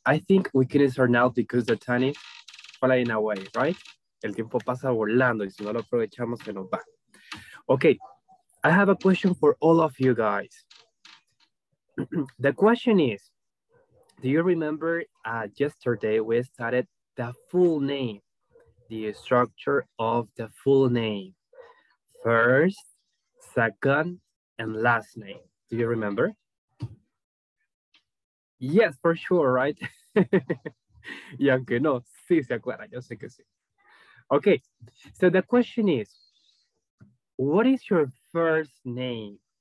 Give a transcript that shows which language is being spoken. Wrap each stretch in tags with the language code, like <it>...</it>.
<en>I think we can start now because the time is flying away, right?</en> <es>El tiempo pasa volando y si no lo aprovechamos se nos va.</es> <en>Okay, I have a question for all of you guys. The question is, do you remember yesterday we started the full name, the structure of the full name, first, second, and last name? Do you remember? Yes, for sure, right?</en> <es>Y aunque no, sí se acuerda, yo sé que sí.</es> <en>Okay, so the question is, what is your first name?</en>